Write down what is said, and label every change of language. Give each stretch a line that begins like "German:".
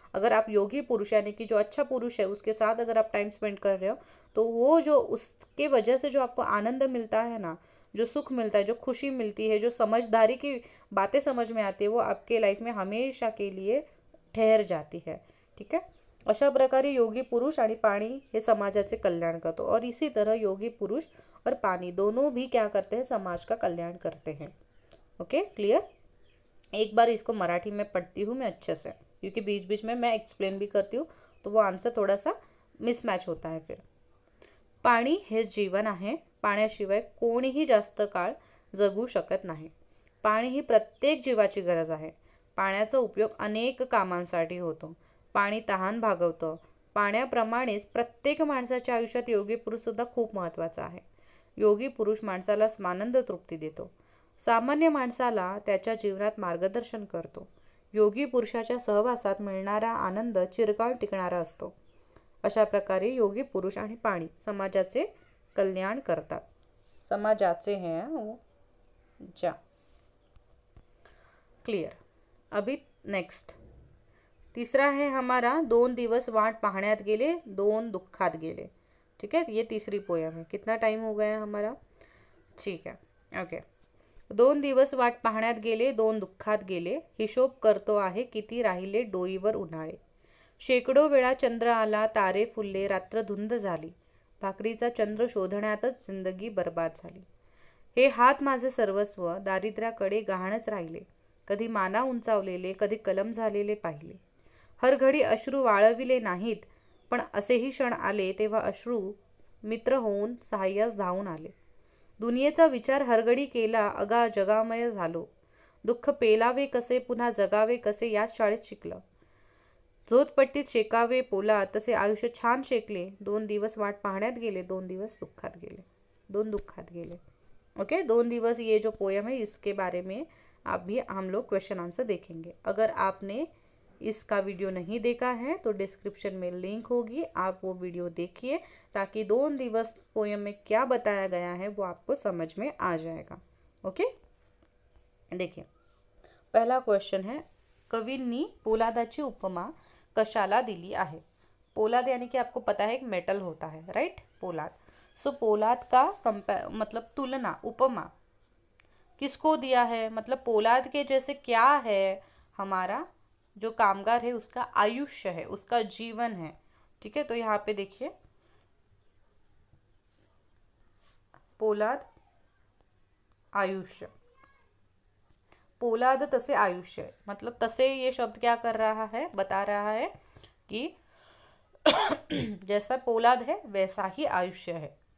Hindi: अगर आप योगी पुरुष यानी कि जो अच्छा पुरुष है उसके साथ अगर आप टाइम स्पेंड कर रहे हो, तो वो जो उसके वजह से जो आपको आनंद मिलता है ना, जो सुख मिलता है, जो खुशी मिलती है, जो समझदारी की बातें समझ में आती है, वो आपके लाइफ में हमेशा के लिए ठहर जाती है, ठीक है।
Marathi: अशा प्रकारे योगी पुरुष आणि पाणी हे समाजाचे कल्याण करतो।
Hindi: और इसी तरह योगी पुरुष और पाणी दोनों भी क्या करते हैं, समाज का कल्याण करते हैं। Okay, clear. एक बार इसको मराठी में पढ़ती हूँ मैं अच्छे से, क्योंकि बीच बीच में मैं एक्सप्लेन भी करती हूँ तो वो आंसर थोड़ा सा मिसमॅच होता है।
Marathi: फिर पाणी हे जीवन आहे, पाण्याशिवाय कोणीही जास्त काळ जगू शकत नाही। पाणी ही प्रत्येक जीवाची गरज आहे। पाण्याचा उपयोग अनेक कामांसाठी होतो। पाणी तहान भागवतं। पाण्याप्रमाणेच प्रत्येक माणसाच्या आयुष्यात योगी पुरुष सुद्धा खूप महत्त्वाचा आहे। योगी पुरुष माणसाला स्वानंद तृप्ती देतो, सामान्य माणसाला त्याच्या जीवनात मार्गदर्शन करतो। योगी पुरुषाच्या सहवासात मिळणारा आनंद चिरकाळ टिकणारा असतो। अशा प्रकारे योगी पुरुष आणि पाणी समाजाचे कल्याण करतात, समाजाचे
Hindi: हैं वो।
English: जा, क्लियर।
Hindi: अभी नेक्स्ट तीसरा है हमारा,
Marathi: 2 दिवस वाट पाहण्यात गेले, 2 दुःखात गेले,
Hindi: ठीक है। ये तीसरी पोयम है। कितना टाइम हो गया हमारा, ठीक है, ओके।
Marathi: 2 दिवस वाट पाहण्यात गेले, 2 दुःखात गेले, हिशोब करतो आहे किती राहिले डोईवर उन्हाळे। शेकडो वेळा चंद्र आला, तारे फुलले, रात्र धुंद झाली, भाकरीचा चंद्र शोधण्यातच जिंदगी बर्बाद झाली। हे हात माझे सर्वस्व दारिद्र्याकडे गहाणच राहिले, कधी माना उंचावलेले, कधी कलम झालेले पाहिले। हर घडी अश्रू वाळविले नाहीत, पण असेही क्षण आले तेव्हा अश्रू मित्र होऊन सहाय्यास धावून आले। दुनियेचा विचार हरघडी केला, अगा जगामय झालो, दुःख पेलावे कसे, पुन्हा जगावे कसे, याच शाळेत शिकलं। झोतपट्टीत शेकावे पोला, तसे आयुष्य छान शेकले, 2 दिवस वाट पाहण्यात गेले, 2 दिवस दुःखात गेले, 2 दुःखात गेले।
Hindi: ओके, 2 दिवस ये जो पोयम है इसके बारे में आप भी हम लोग क्वेश्चन आंसर देखेंगे। अगर आपने इसका वीडियो नहीं देखा है तो डिस्क्रिप्शन में लिंक होगी, आप वो वीडियो देखिए, ताकि 2 दिवस पोयम में क्या बताया गया है वो आपको समझ में आ जाएगा। ओके, देखिए पहला क्वेश्चन है,
Marathi: कवींनी पोलादाची उपमा कशाला दिली आहे।
Hindi: पोलाद यानी कि आपको पता है एक मेटल होता है, राइट, पोलाद। सो पोलाद का मतलब तुलना, उपमा किसको दिया है, मतलब पोलाद के जैसे क्या है हमारा जो कामगार है उसका आयुष्य है, उसका जीवन है। ठीक है, तो यहाँ पे देखिए, पोलाद आयुष्य,
Marathi: पोलाद तसे आयुष्य,
Hindi: मतलब तसे ये शब्द क्या कर रहा है, बता रहा है कि जैसा पोलाद है वैसा ही आयुष्य है।